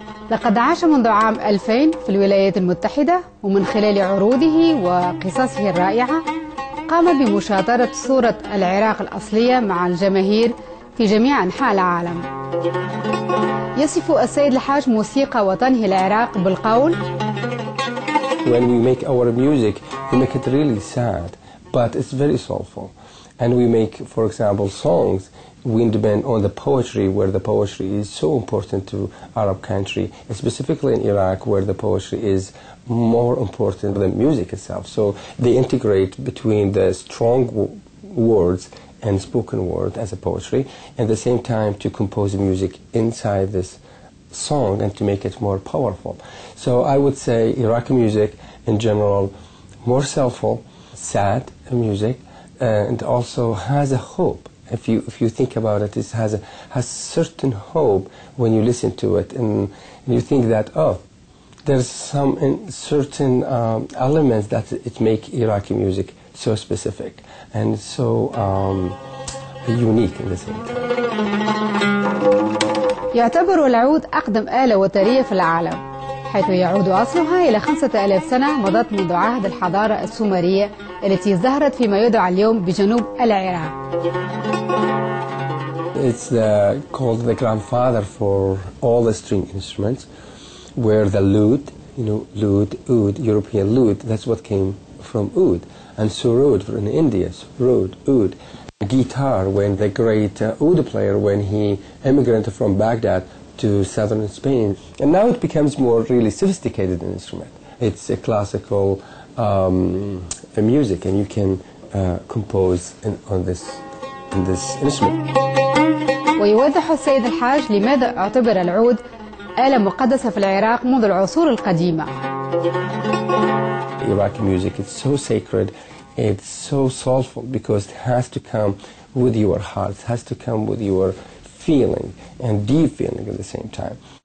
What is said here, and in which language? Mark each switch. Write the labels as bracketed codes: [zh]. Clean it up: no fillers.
[ar] لقد عاش منذ عام 2000 في الولايات المتحدة، ومن خلال عروضه وقصصه الرائعة قام بمشاطرة صورة العراق الأصلية مع الجماهير في جميع أنحاء العالم. يصف السيد الحاج موسيقى وطنه العراق بالقول: [en] When we make our music, we make it really sad, but it's very soulful. And we make, for example, songs, we depend on the poetry, where the poetry is so important to Arab country, specifically in Iraq, where the poetry is more important than music itself. So they integrate between the strong words and spoken word as a poetry, and at the same time to compose music inside this song and to make it more powerful. So I would say Iraqi music, in general, more soulful, sad music, and also has a hope. If you think about it, it has certain hope when you listen to it, and you think that, oh, there's some certain elements that it make Iraqi music so specific and so unique in the same time. [ar] يعتبر العود أقدم آلة وترية في العالم، حيث يعود أصلها إلى 5000 سنة مضت منذ عهد الحضارة السومرية التي ظهرت فيما يدعى اليوم بجنوب العراق. [en] It's called the grandfather for all the string instruments, where the lute, you know, lute, oud, European lute, that's what came from oud, and surud from India, surud, oud. Guitar, when the great oud player, when he immigrated from Baghdad to southern Spain, and now it becomes more really sophisticated instrument. It's a classical a music, and you can compose on this instrument. [ar] ويوضح السيد الحاج لماذا اعتبر العود آلة مقدسة في العراق منذ العصور القديمة. [en] Iraqi music is so sacred, it's so soulful, because it has to come with your heart, it has to come with your feeling and deep feeling at the same time.